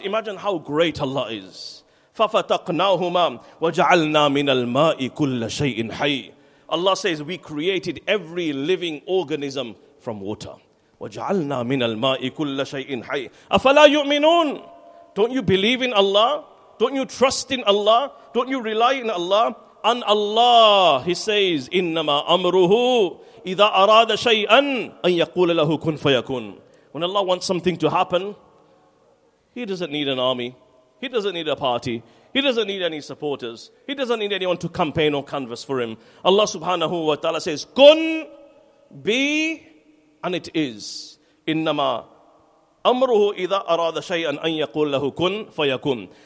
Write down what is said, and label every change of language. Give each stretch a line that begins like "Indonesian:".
English: Imagine how great Allah is.
Arabic: فَفَتَقْنَاهُمَا وَجَعَلْنَا مِنَ الْمَاءِ كُلَّ شَيْءٍ حَيٍّ.
English: Allah says, we created every living organism from water.
Arabic: وَجَعَلْنَا مِنَ الْمَاءِ كُلَّ شَيْءٍ حَيٍّ. أَفَلَا يُؤْمِنُونَ.
English: Don't you believe in Allah? Don't you trust in Allah? Don't you rely in Allah? And Allah, He says,
Arabic: إِنَّمَا أَمْرُهُ إِذَا أَرَادَ شَيْئًا أَن يَقُولَ لَهُ كُنْ فَيَكُونَ.
English: When Allah wants something to happen, He doesn't need an army. He doesn't need a party. He doesn't need any supporters. He doesn't need anyone to campaign or canvass for him. Allah subhanahu wa ta'ala says, kun, be, and it is.
Arabic: Innama amruhu idha arada shay'an an yaqul lahu kun fayakun.